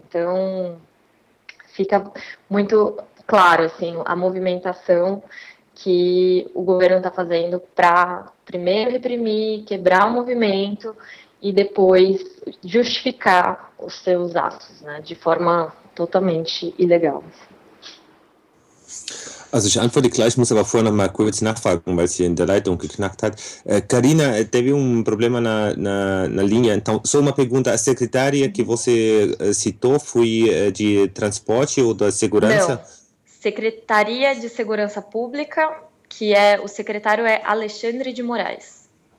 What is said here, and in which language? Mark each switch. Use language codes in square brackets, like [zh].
[pt] Então, fica muito claro, assim, a movimentação que o governo está fazendo para primeiro reprimir, quebrar o movimento e depois justificar os seus atos, né, de forma totalmente ilegal. [de] Also ich antworte gleich, muss aber vorher noch mal kurz nachfragen, weil es hier in der Leitung geknackt hat. [pt] Carina, teve problema na linha. Então, só uma pergunta. A secretária que você citou foi de transporte ou da segurança? Não. Secretaria de Segurança Pública, que é o secretário é Alexandre de Moraes.